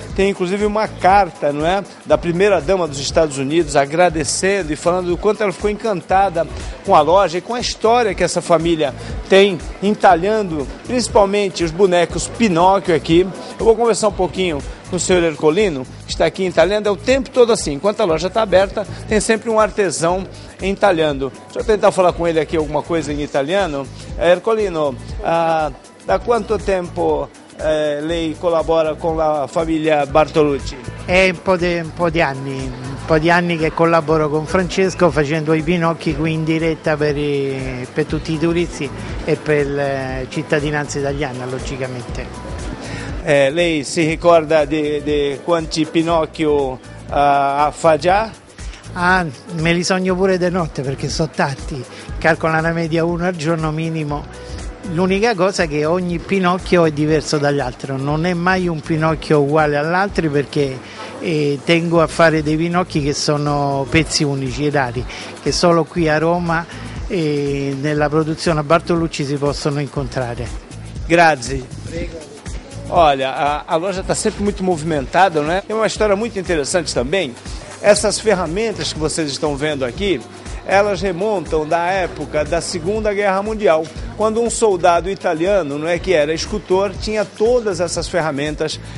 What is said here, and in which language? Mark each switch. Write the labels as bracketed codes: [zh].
[pt] Tem inclusive uma carta, não é? Da primeira dama dos Estados Unidos agradecendo e falando do quanto ela ficou encantada com a loja e com a história que essa família tem entalhando, principalmente os bonecos Pinóquio aqui. Eu vou conversar um pouquinho com o senhor Ercolino, que está aqui entalhando, é o tempo todo assim. Enquanto a loja está aberta, tem sempre um artesão entalhando. Deixa eu tentar falar com ele aqui alguma coisa em italiano. [it] Ercolino, da quanto tempo lei collabora con la famiglia Bartolucci? È un po' di anni che collaboro con Francesco facendo i Pinocchi qui in diretta per tutti i turisti e per la cittadinanza italiana, logicamente. Lei si ricorda di quanti Pinocchi fa già? Ah, me li sogno pure di notte perché sono tanti, calcola la media uno al giorno minimo. L'unica cosa è che ogni Pinocchio è diverso dall'altro, non è mai un Pinocchio uguale all'altro, perché tengo a fare dei Pinocchi che sono pezzi unici e rari, che solo qui a Roma e nella produzione Bartolucci si possono incontrare. Grazie. Prego. [pt] Olha, a loja está sempre muito movimentada, não é? Tem uma história muito interessante também. Essas ferramentas que vocês estão vendo aqui, elas remontam da época da Segunda Guerra Mundial, quando um soldado italiano, não é, que era escultor, tinha todas essas ferramentas.